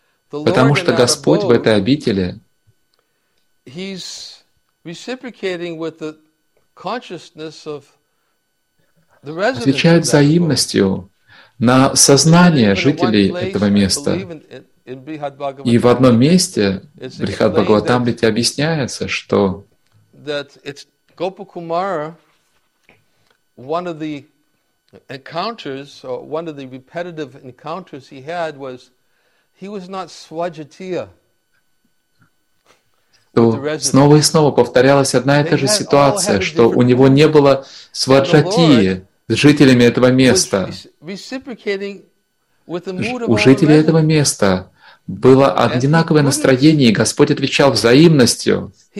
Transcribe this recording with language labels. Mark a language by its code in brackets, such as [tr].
[ru] Потому что Господь в этой обители, отвечает взаимностью на сознание жителей этого места. И в одном месте, в Брихад Бхагаватамрите, объясняется, что [en] Gopakumara, one of the encounters, or one of the repetitive encounters he had was, he was not Swajatiya. [ru] Снова и снова повторялась одна и та же ситуация, что у него не было сваджатии с жителями этого места. У жителей этого места было одинаковое настроение, и Господь отвечал взаимностью.